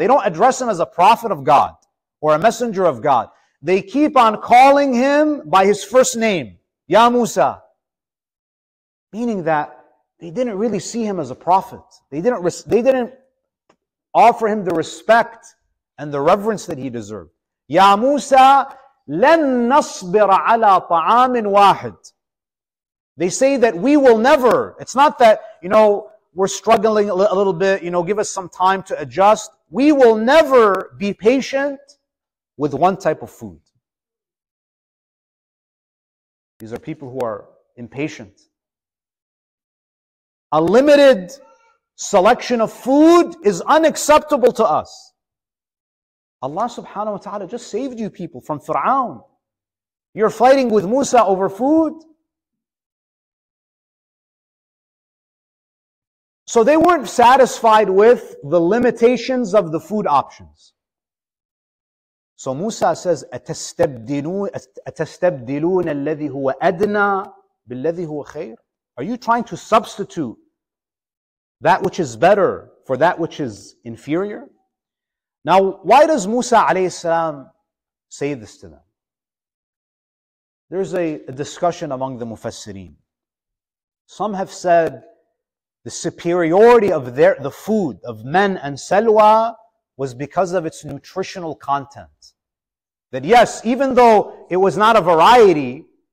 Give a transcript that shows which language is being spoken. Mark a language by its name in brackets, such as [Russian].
[English] They don't address him as a prophet of God or a messenger of God. They keep on calling him by his first name, Ya Musa. Meaning that they didn't really see him as a prophet. They didn't offer him the respect and the reverence that he deserved. [Arabic] Ya Musa, لن نصبر على طعام واحد. [English] They say that we will never, it's not that, you know, we're struggling a little bit, you know, give us some time to adjust. We will never be patient with one type of food. These are people who are impatient. A limited selection of food is unacceptable to us. Allah subhanahu wa ta'ala just saved you people from Fir'aun. You're fighting with Musa over food. So they weren't satisfied with the limitations of the food options. So Musa says, [Arabic] أتستبدلون الذي هو أدنى بالذي هو خير? [English] Are you trying to substitute that which is better for that which is inferior? Now, why does Musa عليه السلام say this to them? There's a discussion among the Mufassirin. Some have said the superiority of the food of men and salwa was because of its nutritional content. That yes, even though it was not a variety,